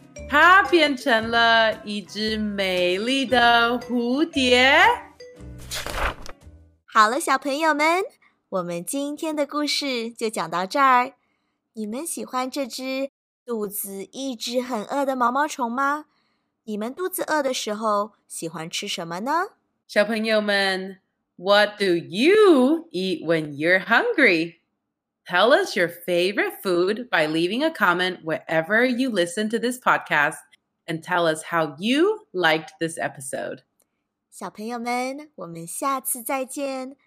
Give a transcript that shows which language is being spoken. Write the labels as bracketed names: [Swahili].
[Chinese] 他变成了一只美丽的蝴蝶。好了，小朋友们，我们今天的故事就讲到这儿。你们喜欢这只肚子一直很饿的毛毛虫吗？你们肚子饿的时候喜欢吃什么呢？小朋友们， [English] What do you eat when you're hungry? Tell us your favorite food by leaving a comment wherever you listen to this podcast and tell us how you liked this episode. [Chinese] 小朋友们，我们下次再见。